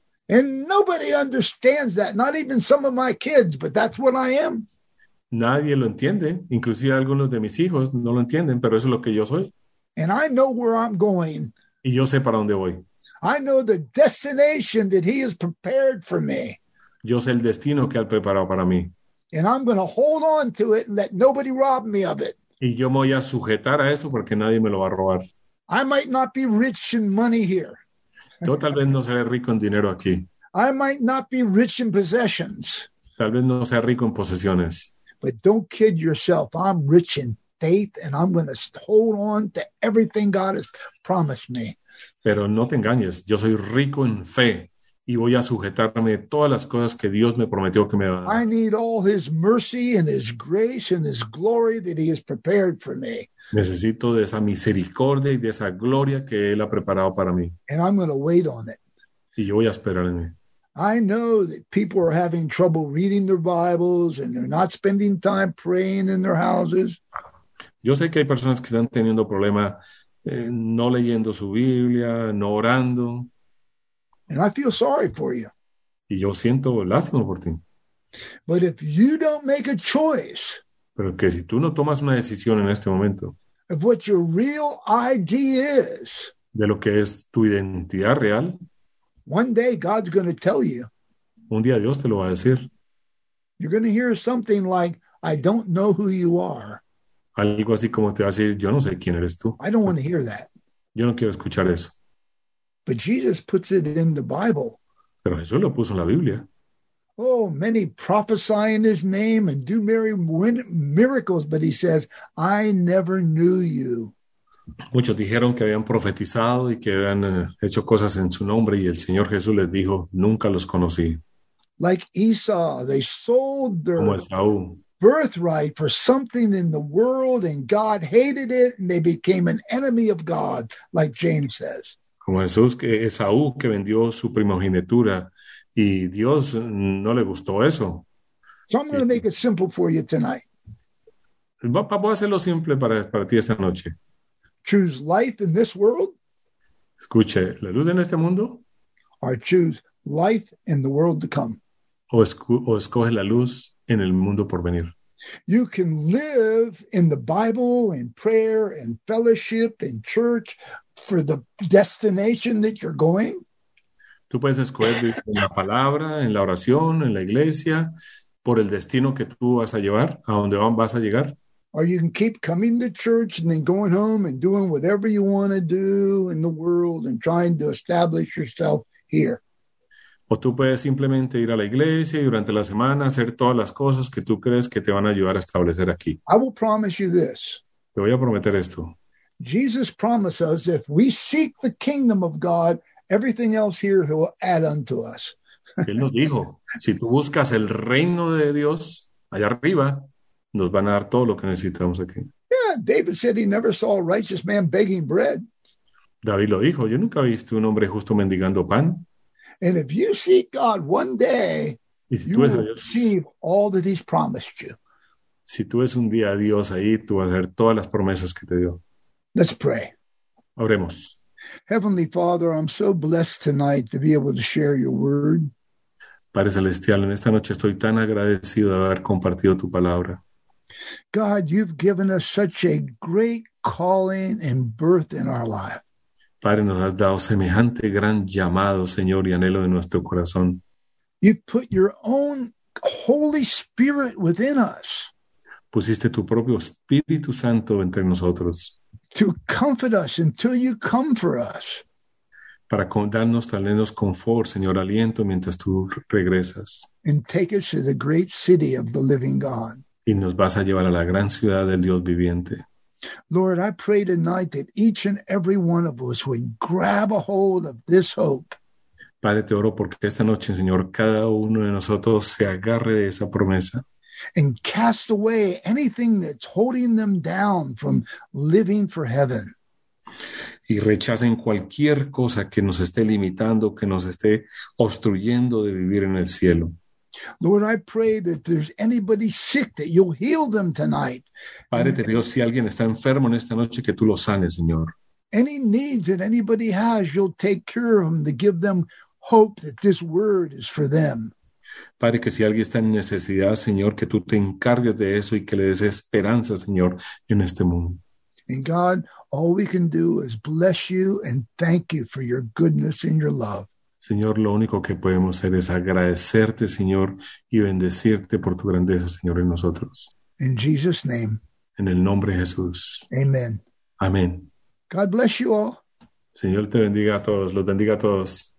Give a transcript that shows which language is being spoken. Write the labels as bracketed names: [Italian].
[English] And nobody understands that. Not even some of my kids, but that's what I am. [Spanish] Nadie lo entiende. Inclusive algunos de mis hijos no lo entienden, pero eso es lo que yo soy. [English] And I know where I'm going. [Spanish] Y yo sé para dónde voy. [English] I know the destination that he has prepared for me. [Spanish] Yo sé el destino que él preparó para mí. [English] And I'm going to hold on to it and let nobody rob me of it. [Spanish] Y yo me voy a sujetar a eso porque nadie me lo va a robar. [English] I might not be rich in money here. [Spanish] Yo tal vez no seré rico en dinero aquí. [English] I might not be rich in possessions. [Spanish] Tal vez no sea rico en posesiones. [English] But don't kid yourself. I'm rich in faith and I'm going to hold on to everything God has promised me. [Spanish] Pero no te engañes. Yo soy rico en fe. y voy a sujetarme a todas las cosas que Dios me prometió que me va a dar. [English] I need all his mercy and his grace and his glory that he has prepared for me. [Spanish] Necesito de esa misericordia y de esa gloria que él ha preparado para mí. [English] And I'm going to wait on it. [Spanish] Y yo voy a esperar en él. [English] I know that people are having trouble reading their Bibles and they're not spending time praying in their houses. [Spanish] Yo sé que hay personas que están teniendo problema no leyendo su Biblia, no orando. [English] And I feel sorry for you. [Spanish] Y yo siento lástima por ti. [English] But if you don't make a choice, [Spanish] pero que si tú no tomas una decisión en este momento, [English] of what your real ID is, [Spanish] de lo que es tu identidad real, [English] one day God's going to tell you. [Spanish] Un día Dios te lo va a decir. [English] You're going to hear something like, I don't know who you are. [Spanish] Algo así como te va a decir, yo no sé quién eres tú. [English] I don't want to hear that. [Spanish] Yo no quiero escuchar eso. [English] But Jesus puts it in the Bible. [Spanish] Pero Jesús lo puso en la Biblia. [English] Oh, many prophesy in his name and do miracles, but he says, I never knew you. [Spanish] Muchos dijeron que habían profetizado y que habían hecho cosas en su nombre y el Señor Jesús les dijo, nunca los conocí. [English] Like Esau, they sold their birthright for something in the world and God hated it and they became an enemy of God, like James says. [Spanish] Como Jesús, que Esaú que vendió su primogenitura y Dios no le gustó eso. [English] So I'm going to make it simple for you tonight. [Spanish] Voy a hacerlo simple para ti esta noche. [English] Choose life in this world. [Spanish] Escuche, la luz en este mundo. [English] Or choose life in the world to come. [Spanish] O escoge la luz en el mundo por venir. [English] You can live in the Bible, in prayer, in fellowship, in church, for the destination that you're going. [Spanish] Tú puedes escoger vivir en la palabra, en la oración, en la iglesia, por el destino que tú vas a llevar, a donde vas a llegar. [English] Or you can keep coming to church and then going home and doing whatever you want to do in the world and trying to establish yourself here. [Spanish] O tú puedes simplemente ir a la iglesia y durante la semana hacer todas las cosas que tú crees que te van a ayudar a establecer aquí. [English] I will promise you this. [Spanish] Te voy a prometer esto. [English] Jesus promises if we seek the kingdom of God, everything else here he will add unto us. [Spanish] Él nos dijo, si tú buscas el reino de Dios allá arriba, nos van a dar todo lo que necesitamos aquí. [English] Yeah, David said he never saw a righteous man begging bread. [Spanish] David lo dijo, yo nunca he visto un hombre justo mendigando pan. [English] And if you seek God one day, [Spanish] si [English] you will receive all that he's promised you. [Spanish] Si tú ves un día a Dios ahí, tú vas a hacer todas las promesas que te dio. [English] Let's pray. [Spanish] Oremos. [English] Heavenly Father, I'm so blessed tonight to be able to share your word. [Spanish] Padre Celestial, en esta noche estoy tan agradecido de haber compartido tu palabra. [English] God, you've given us such a great calling and birth in our life. [Spanish] Padre, nos has dado semejante gran llamado, Señor, y anhelo en nuestro corazón. [English] You've put your own Holy Spirit within us. [Spanish] Pusiste tu propio Espíritu Santo entre nosotros. [English] To comfort us until you come for us. [Spanish] Para darnos tal vez confort, Señor, aliento mientras tú regresas. [English] And take us to the great city of the living God. [Spanish] Y nos vas a llevar a la gran ciudad del Dios viviente. [English] Lord, I pray tonight that each and every one of us would grab a hold of this hope. [Spanish] Padre, te oro porque esta noche, Señor, cada uno de nosotros se agarre de esa promesa. [English] And cast away anything that's holding them down from living for heaven. [Spanish] Y rechacen cualquier cosa que nos esté limitando, que nos esté obstruyendo de vivir en el cielo. [English] Lord, I pray that if there's anybody sick that you'll heal them tonight. [Spanish] Padre, te digo, si alguien está enfermo en esta noche, que tú lo sanes, Señor. [English] Any needs that anybody has, you'll take care of them to give them hope that this word is for them. [Spanish] Padre, que si alguien está en necesidad, Señor, que tú te encargues de eso y que le des esperanza, Señor, en este mundo. [English] And God, all we can do is bless you and thank you for your goodness and your love. [Spanish] Señor, lo único que podemos hacer es agradecerte, Señor, y bendecirte por tu grandeza, Señor, en nosotros. [English] In Jesus' name. [Spanish] En el nombre de Jesús. [English] Amen. [Spanish] Amén. [English] God bless you all. [Spanish] Señor, te bendiga a todos. Los bendiga a todos.